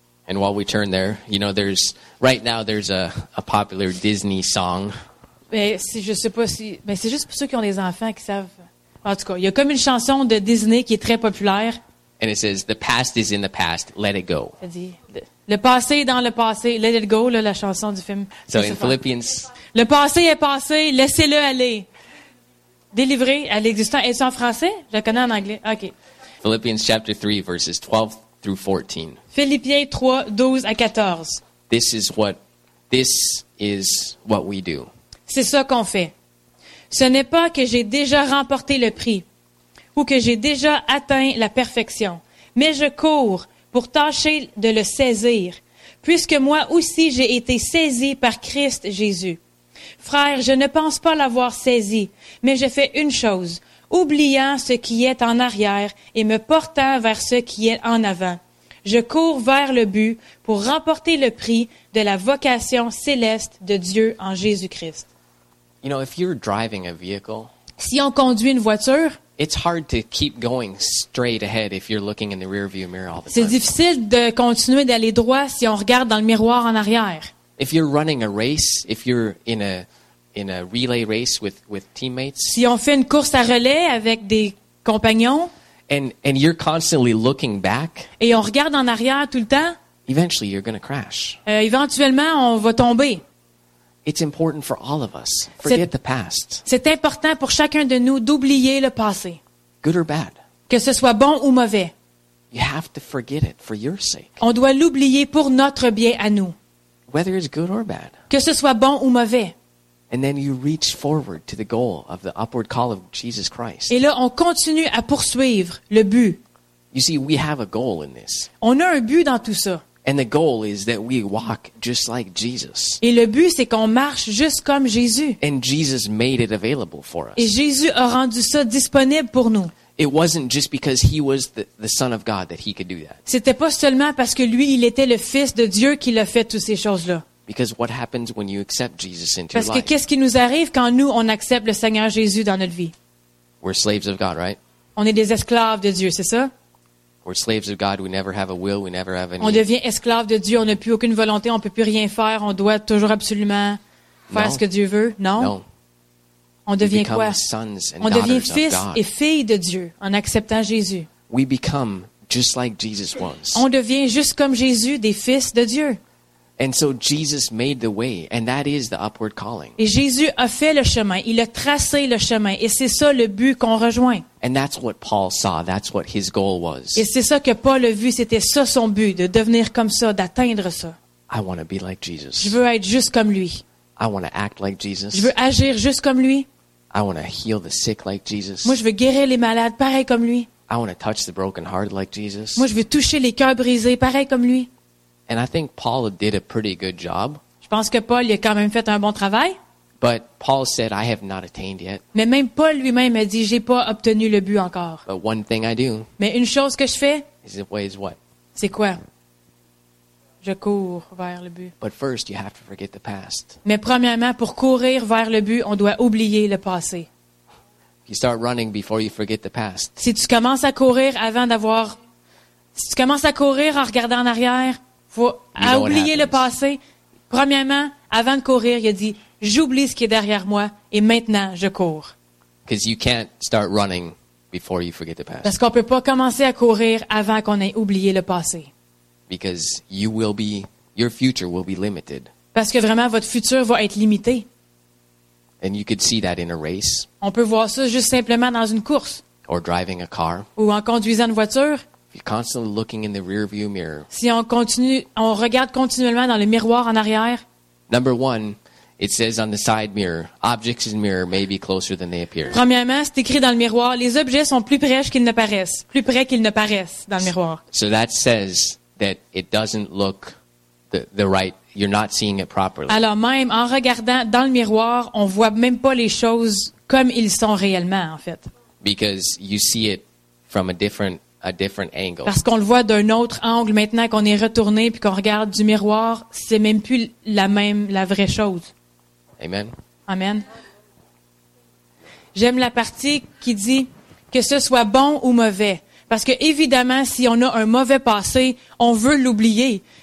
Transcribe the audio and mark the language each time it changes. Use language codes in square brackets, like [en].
[en] And while we turn there, you know, there's right now there's a popular Disney song. [fr] Mais si, je sais pas si, mais c'est juste pour ceux qui ont des enfants qui savent. En tout cas, il y a comme une chanson de Disney qui est très populaire. [en] And it says, "The past is in the past, let it go." [fr] Ça dit, le passé est dans le passé, [en] let it go, [fr] là, la chanson du film. [en] So in Philippians. [fr] Le passé est passé, laissez-le aller. Délivré à l'existant. Est-ce en français? Je connais en anglais. OK. [en] Philippians chapter 3, verses 12 through 14. [fr] Philippiens 3, 12 à 14. [en] This is what we do. [fr] C'est ça qu'on fait. Ce n'est pas que j'ai déjà remporté le prix ou que j'ai déjà atteint la perfection, mais je cours pour tâcher de le saisir, puisque moi aussi j'ai été saisi par Christ Jésus. Frère, je ne pense pas l'avoir saisi, mais je fais une chose, oubliant ce qui est en arrière et me portant vers ce qui est en avant. Je cours vers le but pour remporter le prix de la vocation céleste de Dieu en Jésus-Christ. [en] You know, if you're driving a vehicle, [fr] si on conduit une voiture, [en] it's hard to keep going straight ahead if you're looking in the rearview mirror all the time. [fr] C'est difficile de continuer d'aller droit si on regarde dans le miroir en arrière. [en] If you're running a race, if you're in a relay race with teammates, [fr] si on fait une course à relais avec des compagnons, [en] and you're constantly looking back, [fr] et on regarde en arrière tout le temps, [en] eventually you're going to crash. [fr] Éventuellement, on va tomber. [en] It's important for all of us. Forget the past. [fr] C'est important pour chacun de nous d'oublier le passé. [en] Good or bad. [fr] Que ce soit bon ou mauvais. [en] You have to forget it for your sake. [fr] On doit l'oublier pour notre bien à nous. [en] Whether it's good or bad. [fr] Que ce soit bon ou mauvais. [en] And then you reach forward to the goal of the upward call of Jesus Christ. [fr] Et là, on continue à poursuivre le but. [en] You see, we have a goal in this. [fr] On a un but dans tout ça. [en] And the goal is that we walk just like Jesus. [fr] Et le but, c'est qu'on marche juste comme Jésus. [en] And Jesus made it available for us. [fr] Et Jésus a rendu ça disponible pour nous. [en] It wasn't just because he was the son of God that he could do that. [fr] C'était pas seulement parce que lui il était le fils de Dieu qu'il a fait toutes ces choses-là. [en] Because what happens when you accept Jesus into your life? [fr] Parce que qu'est-ce qui nous arrive quand nous on accepte le Seigneur Jésus dans notre vie? [en] We're slaves of God, right? [fr] On est des esclaves de Dieu, c'est ça? [en] We're slaves of God, we never have a will, we never have any. [fr] On devient esclave de Dieu, on n'a plus aucune volonté, on peut plus rien faire, on doit toujours absolument faire ce que Dieu veut, non? [en] No. [fr] On devient quoi? On devient fils et filles de Dieu en acceptant Jésus. [en] We become just like Jesus was. [fr] On devient juste comme Jésus, des fils de Dieu. [en] And so Jesus made the way, and that is the upward calling. [fr] Et Jésus a fait le chemin, il a tracé le chemin, et c'est ça le but qu'on rejoint. [en] And that's what Paul saw, that's what his goal was. [fr] Et c'est ça que Paul a vu, c'était ça son but, de devenir comme ça, d'atteindre ça. [en] I want to be like Jesus. [fr] Je veux être juste comme lui. [en] I want to act like Jesus. [fr] Je veux agir juste comme lui. [en] I want to heal the sick like Jesus. [fr] Moi, je veux guérir les malades, pareil comme lui. [en] I want to touch the broken heart like Jesus. [fr] Moi, je veux toucher les cœurs brisés, pareil comme lui. [en] And I think Paul did a pretty good job. [fr] Je pense que Paul il a quand même fait un bon travail. [en] But Paul said, I have not attained yet. [fr] Mais même Paul lui-même a dit, j'ai pas obtenu le but encore. [en] But one thing I do. [fr] Mais une chose que je fais. [en] Is what? [fr] C'est quoi? Je cours vers le but. [en] But first, you have to forget the past. [fr] Mais premièrement, pour courir vers le but, on doit oublier le passé. [en] You start running before you forget the past. [fr] Si tu commences à courir avant d'avoir, si tu commences à courir en regardant en arrière. Faut à oublier le passé. Premièrement, avant de courir, il a dit, j'oublie ce qui est derrière moi et maintenant, je cours. [en] Because you can't start running before you forget the past. [fr] Parce qu'on ne peut pas commencer à courir avant qu'on ait oublié le passé. [en] Because you will be, your future will be limited. [fr] Parce que vraiment, votre futur va être limité. [en] And you could see that in a race. [fr] On peut voir ça juste simplement dans une course. [en] Or driving a car. [fr] Ou en conduisant une voiture. [en] If you're constantly looking in the rearview mirror. [fr] Si on continue, on regarde continuellement dans le miroir en arrière. [en] Number one, it says on the side mirror, objects in the mirror may be closer than they appear. [fr] Premièrement, c'est écrit dans le miroir, les objets sont plus près qu'ils ne paraissent, plus près qu'ils ne paraissent dans le miroir. [en] So that says that it doesn't look the right. You're not seeing it properly. [fr] Alors même en regardant dans le miroir, on voit même pas les choses comme ils sont réellement en fait. [en] Because you see it from a different angle. [fr] Parce qu'on le voit d'un autre angle maintenant qu'on est retourné puis qu'on regarde du miroir, c'est même plus la vraie chose. [en] Amen. [fr] Amen. J'aime la partie qui dit que ce soit bon ou mauvais. Parce que évidemment, si on a un mauvais passé, on veut l'oublier.